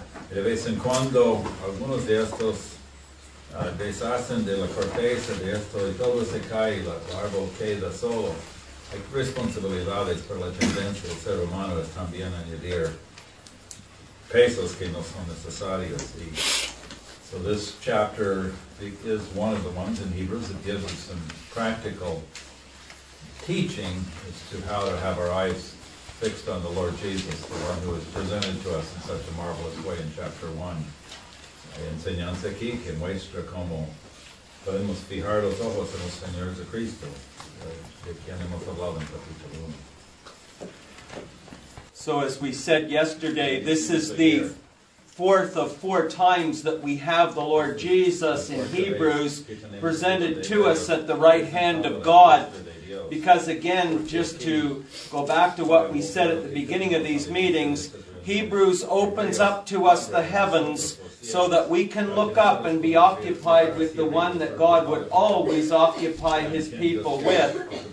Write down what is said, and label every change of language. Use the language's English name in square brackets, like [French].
[Spanish] De vez en cuando, algunos de estos deshacen de la corteza de esto y todo se cae y el árbol queda solo. Hay responsabilidades por la tendencia del ser humano es también añadir pesos que no son necesarios. [English] Y so this chapter is one of the ones in Hebrews that gives us some practical teaching as to how to have our eyes fixed on the Lord Jesus, the one who was presented to us in such a marvelous way in chapter 1. [Spanish] Hay enseñanza aquí que muestra cómo podemos fijar los ojos en los señores de Cristo, de quien hemos hablado en capítulo 1. [English] So as we said yesterday, this is the fourth of four times that we have the Lord Jesus in Hebrews presented to us at the right hand of God. Because again, just to go back to what we said at the beginning of these meetings, Hebrews opens up to us the heavens so that we can look up and be occupied with the one that God would always occupy his people with.